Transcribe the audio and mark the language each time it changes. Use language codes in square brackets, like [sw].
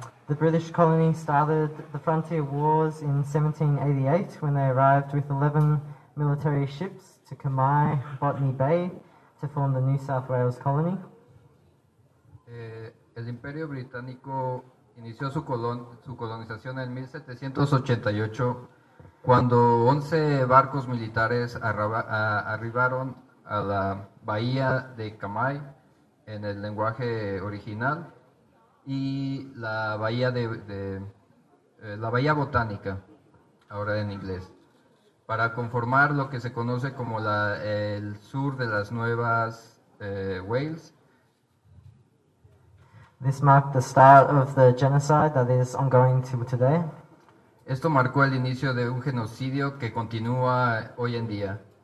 [en] The British colony started the frontier wars in 1788 when they arrived with 11 military ships to Kamai, Botany Bay, to form the New South Wales colony. [es] El Imperio Británico inició su colonización en 1788 cuando 11 barcos militares arribaron a la bahía de Kamai en el lenguaje original. Y la bahía la bahía botánica, ahora en inglés, para conformar lo que se conoce como el sur de las nuevas Wales. [en] This marked the start of the genocide that is ongoing till today. [es] Esto marcó el inicio de un genocidio que continúa hoy en día.